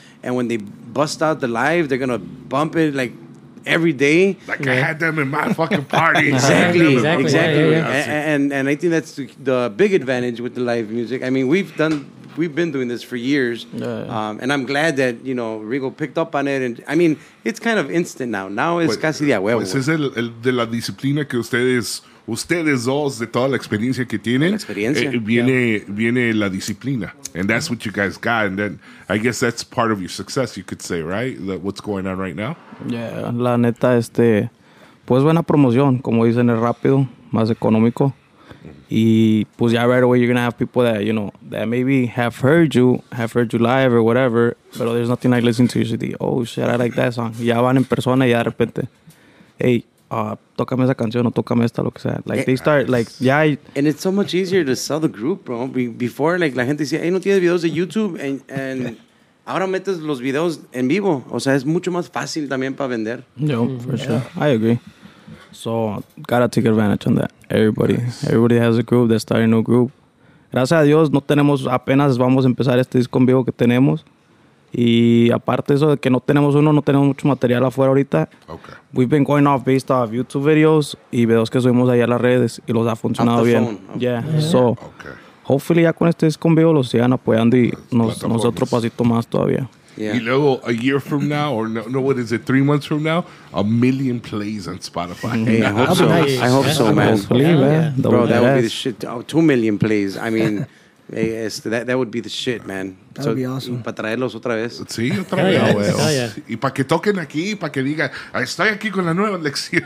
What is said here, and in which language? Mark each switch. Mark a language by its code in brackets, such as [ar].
[en] And when they bust out the live, they're going to bump it, like, every day. Like, yeah. I had them in my fucking party. Exactly. Yeah. And I think that's the big advantage with the live music. I mean, we've been doing this for years. Yeah. And I'm glad that, you know, Rigo picked up on it. And I mean, it's kind of instant now. Now it's [es] casi de a huevo. Pues es el de la disciplina que ustedes dos, de toda la experiencia que tienen, viene la disciplina. [en] And that's what you guys got. And then I guess that's part of your success, you could say, right? What's going on right now? [es] Yeah, la neta, pues buena promoción. Como dicen, es rápido, más económico. Y pues ya [en] right away you're going to have people that, you know, that maybe have heard you live or whatever, but there's nothing like listening to your CD. Oh, shit, I like that song. [es] Ya van en persona y de repente, hey, tócame esa canción o tócame esta, lo que sea. [en] Like, they start, like, yeah. And it's so much easier to sell the group, bro. Before, like, [es] la gente decía, hey, ¿no tienes videos de YouTube? [en] And [es] ahora metes los videos en vivo. O sea, es mucho más fácil también para vender. [en] Yeah, for sure. Yeah. I agree. So, gotta take advantage on that. Everybody has a group. They're starting a new group. [es] Gracias a Dios, no tenemos, apenas vamos a empezar este disco en vivo que tenemos. Y aparte eso de que no tenemos uno, no tenemos mucho material afuera ahorita. [en] Okay. We've been going off based off [es] YouTube videos y videos que subimos ahí a las redes y los ha funcionado bien. [en] Phone. Yeah. So, okay. Hopefully [es] ya con este disco en vivo los sigan apoyando y nos otro pasito más todavía. [en] Yeah. [es] Y luego, [en] a year from now, or no, what is it, 3 months from now, 1 million plays on Spotify. Hey, I hope so. Nice. I hope so, man. Hopefully, man. Yeah. Bro, that would be the shit. Oh, 2 million plays. I mean, that would be the shit, man. That would be awesome. [es] Para traerlos otra vez. Sí, otra vez. [en] Oh, yeah. [es] Y para que toquen aquí, para que digan, estoy aquí con la nueva lección.